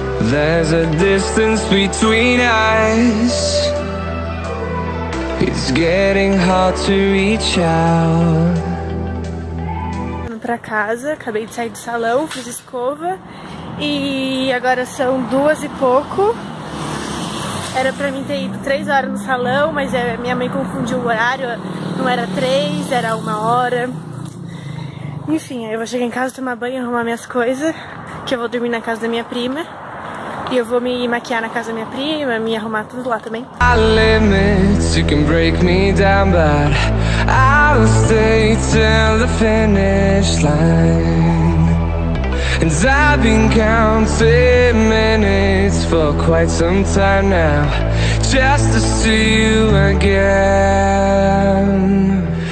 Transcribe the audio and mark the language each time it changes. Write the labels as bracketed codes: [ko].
[en] There's a distance between us. It's getting hard to reach out. [pt] Indo pra casa, acabei de sair do salão, fiz escova. E agora são 2 e pouco. Era pra mim ter ido 3 horas no salão, mas a minha mãe confundiu o horário. Não era 3, era 1 hora. Enfim, aí eu vou chegar em casa, tomar banho, arrumar minhas coisas, que eu vou dormir na casa da minha prima. E eu vou me maquiar na casa da minha prima, me arrumar tudo lá também. [en] My limits, you can break me down, but I'll stay till the finish line. And I've been counting minutes for quite some time now, just to see you again.